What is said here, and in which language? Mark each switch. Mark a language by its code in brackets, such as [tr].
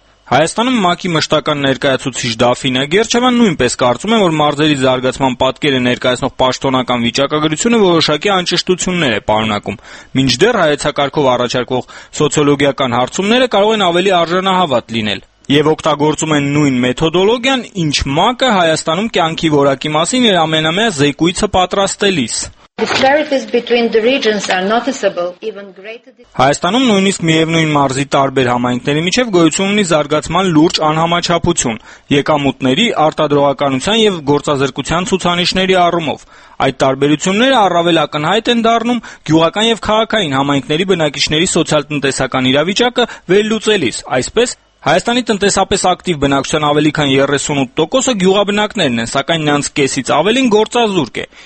[hy] Հայաստանում ՄԱԿ-ի մշտական ներկայացուցիչ Դաֆինե Գերչևան նույնպես կարծում է, որ մարզերի զարգացման պատկերը ներկայացնող պաշտոնական վիճակագրությունը որոշակի անճշտություններ է պարունակում։ Մինչդեռ հայեցակարգով առաջարկվող սոցիոլոգիական հարցումները կարող են ավելի արժանահավատ լինել և օգտագործում են նույն մեթոդոլոգիան, ինչ ՄԱԿ-ը Հայաստանում կյանքի որակի մասին իր ամենամեծ զեկույցը պատրաստելիս։ [en] Disparities between the regions are noticeable, even greater. [hy] Հայաստանում նույնիսկ միևնույն մարզի տարբեր համայնքների միջև գոյություն ունի զարգացման լուրջ անհամաչափություն՝ եկամուտների, արտադրողականության եւ գործազրկության ցուցանիշների առումով։ Այդ տարբերությունները առավել ակնհայտ են դառնում գյուղական եւ քաղաքային համայնքների բնակիչների սոցիալ-տնտեսական իրավիճակը վերլուծելիս, այսպես Հայաստանի տնտեսապես ակտիվ բնակության ավելի քան 38%-ը գյուղաբնակներն են, սակայն նրանց կեսից ավելին գործազուրկ է,